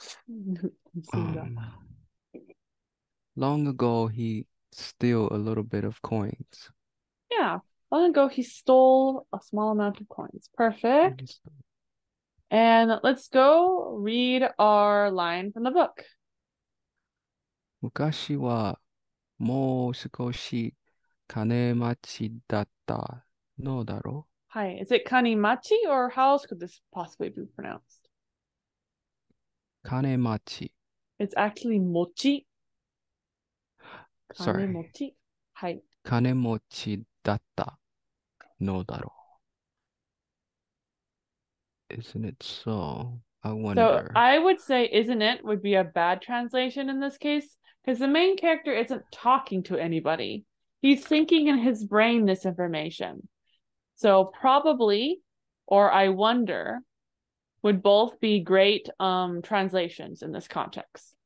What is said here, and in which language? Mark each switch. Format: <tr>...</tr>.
<ja>Nusunda.</ja> <en>Long ago, he steal a little bit of coins. Yeah. Long ago, he stole a small amount of coins. Perfect. And let's go read our line from the book.</en> <ja>昔はもう少し金待ちだったのだろう?</ja> <en>Hi, is it kanimachi or how else could this possibly be pronounced?</en> <ja>金待ち.</ja> <en>It's actually mochi. Sorry.</en> <ja>金持ち.Hi. 金持ちだったのだろう?</ja> <en>Isn't it so? I wonder. So I would say, isn't it, would be a bad translation in this case. Because the main character isn't talking to anybody. He's thinking in his brain this information. So probably, or I wonder, would both be great translations in this context.</en>